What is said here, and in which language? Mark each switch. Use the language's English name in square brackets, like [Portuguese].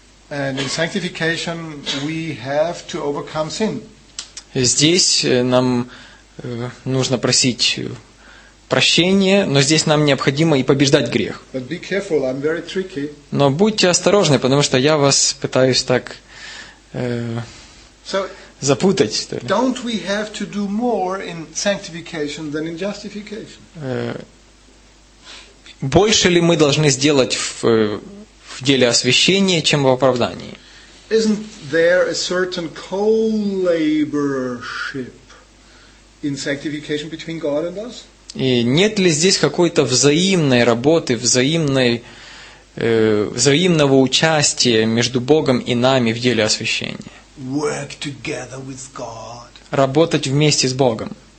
[English] And in sanctification, we have to overcome sin. [Russian] Здесь нам нужно просить прощения, но здесь нам необходимо и побеждать грех. [English] But be careful, I'm very tricky. [Russian] Но будьте осторожны, потому что я вас пытаюсь так запутать, что ли. [English] Don't we have to do more in sanctification than in justification? [Russian] Больше ли мы должны сделать в деле освящения, чем в оправдании? [English] Isn't there a certain co-laborship in sanctification between God and us? [Russian] И нет ли здесь какой-то взаимной работы, взаимного участия между Богом и нами в деле освящения? [English] Work together with God. [Russian] Работать вместе с Богом.